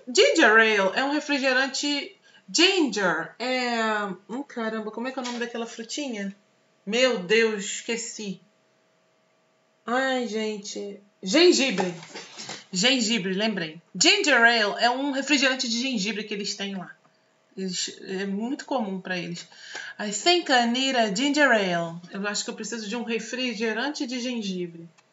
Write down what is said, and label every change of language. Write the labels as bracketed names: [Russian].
[Portuguese] Ginger ale é um refrigerante. Ginger é. Caramba, como é que é o nome daquela frutinha? Meu Deus, esqueci. Ai, gente. Gengibre. Gengibre, lembrei. Ginger ale é um refrigerante de gengibre que eles têm lá. É muito comum para eles. [English] I think I need a ginger ale. [Portuguese] Eu acho que eu preciso de um refrigerante de gengibre.